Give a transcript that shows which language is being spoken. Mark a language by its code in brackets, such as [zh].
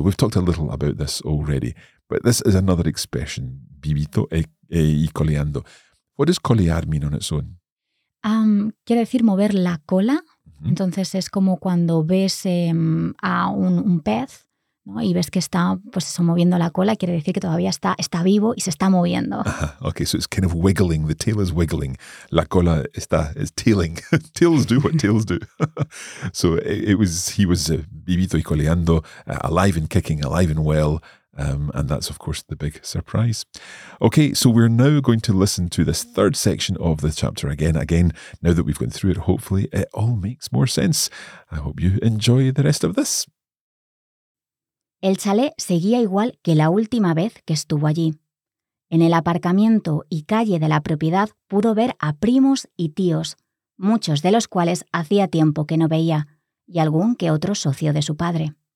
[en] We've talked a little about this already, but this is another expression, [es] vivito y coleando. [en] What does colear mean on its own? [es] Quiere decir mover la cola. Mm-hmm. Entonces es como cuando ves a un pez, ¿no? Y ves que está, pues eso, moviendo la cola, quiere decir que todavía está vivo y se está moviendo. Uh-huh. [en] Okay, so it's kind of wiggling, the tail is wiggling. La cola is tailing. Tails do what tails do. So he was [es] vivito y coleando, [en] alive and kicking, alive and well. And that's, of course, the big surprise. Okay, so we're now going to listen to this third section of the chapter again. Now that we've gone through it, hopefully it all makes more sense. I hope you enjoy the rest of this. [es] El chalet seguía igual que la última vez que estuvo allí. En el aparcamiento y calle de la propiedad pudo ver a primos y tíos, muchos de los cuales hacía tiempo que no veía, y algún que otro socio de su padre.